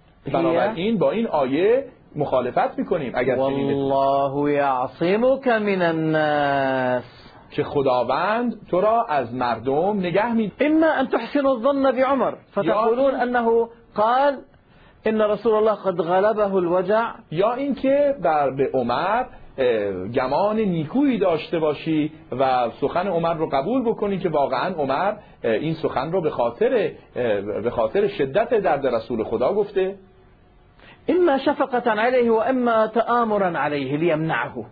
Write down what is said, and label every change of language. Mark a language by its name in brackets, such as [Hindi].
[Persian] بنابراین با این آیه مخالفت میکنیم اگر [Arabic] والله يعصمك من الناس [Persian] که خداوند تو را از مردم نگه می [Arabic] اما ان تحسن الظن بعمر فتقولون انه قال ان رسول الله قد غلبه الوجع [Persian] یا اینکه بر به عمر گمان نیکویی داشته باشی و سخن عمر رو قبول بکنی که واقعا عمر این سخن رو به خاطر شدت درد رسول خدا گفته. [Arabic] اما شفقتا علیه و اما تآمرا علیه لیمنعه،